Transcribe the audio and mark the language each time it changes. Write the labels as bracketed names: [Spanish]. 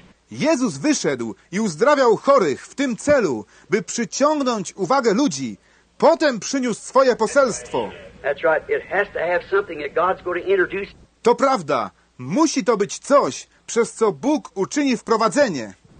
[Polish] Jezus wyszedł i uzdrawiał chorych w tym celu, by przyciągnąć uwagę ludzi. Potem przyniósł swoje poselstwo. [English] That's right. It has to have something that God's going to introduce. [Polish] To prawda. Musi to być coś, przez co Bóg uczyni wprowadzenie.